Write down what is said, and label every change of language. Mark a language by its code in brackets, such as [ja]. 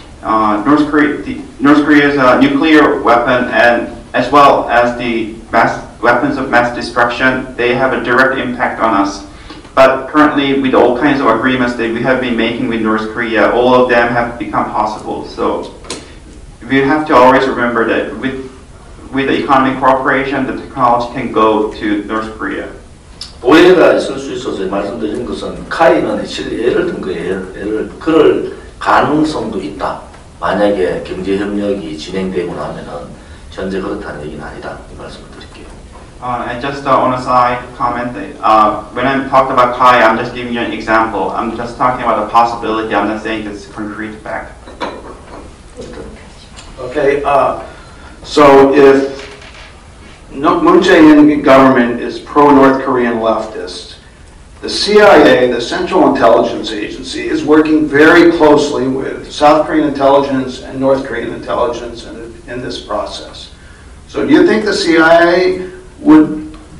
[en] North Korea's nuclear weapon and as well as the weapons of mass destruction, they have a direct impact on us. But currently, with all kinds of agreements that we have been making with North Korea, all of them have become possible. So we have to always remember that with the economic cooperation, the technology can go to North Korea. [ko] 오해가 있을 수 있어서 말씀드린 것은 카이는 실제 예를 든 거예요. 그럴 가능성도 있다. 만약에 경제협력이 진행되고 나면은 현재 그렇다는 얘기는 아니다. 이 말씀을 드릴게요. [en] And just on a side comment, when I talked about KAI, I'm just giving you an example. I'm just talking about the possibility. I'm not saying it's a concrete fact. Okay. So if Moon Jae-in government is pro-North Korean leftist, the CIA, the Central Intelligence Agency, is working very closely with South Korean intelligence and North Korean intelligence in this process. So do you think the CIA would